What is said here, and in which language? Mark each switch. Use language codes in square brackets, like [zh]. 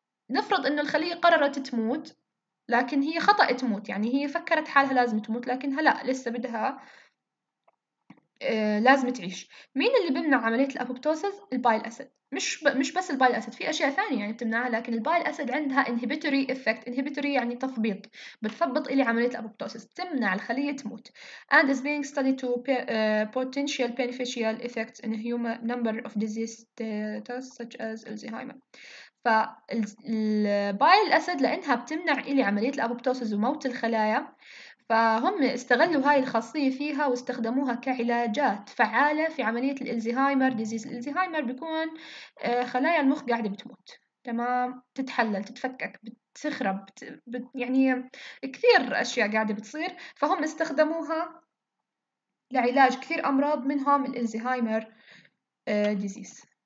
[ar] نفرض إن الخلية قررت تموت، لكن هي خطأ تموت، يعني هي فكرت حالها لازم تموت لكنها لا لسه بدها لازم تعيش. مين اللي بمنع عملية الأبوبتوسس؟ البايل أسد. مش بس البايل أسد، في أشياء ثانية يعني بتمنعها، لكن البايل أسد عندها inhibitory effect. inhibitory يعني تثبيط، بتثبط إلي عملية الأبوبتوسس، تمنع الخلية تموت. [en] and is being studied to potential beneficial effects in a human number of diseases such as Alzheimer. [ar] فالبايل أسد لأنها بتمنع إلي عملية الأبوبتوسس وموت الخلايا، فهم استغلوا هاي الخاصية فيها واستخدموها كعلاجات فعالة في عملية الالزهايمر ديزيز. الالزهايمر بيكون خلايا المخ قاعدة بتموت، تمام، تتحلل، تتفكك، بتخرب، يعني كثير أشياء قاعدة بتصير، فهم استخدموها لعلاج كثير أمراض منهم الالزهايمر ديزيز.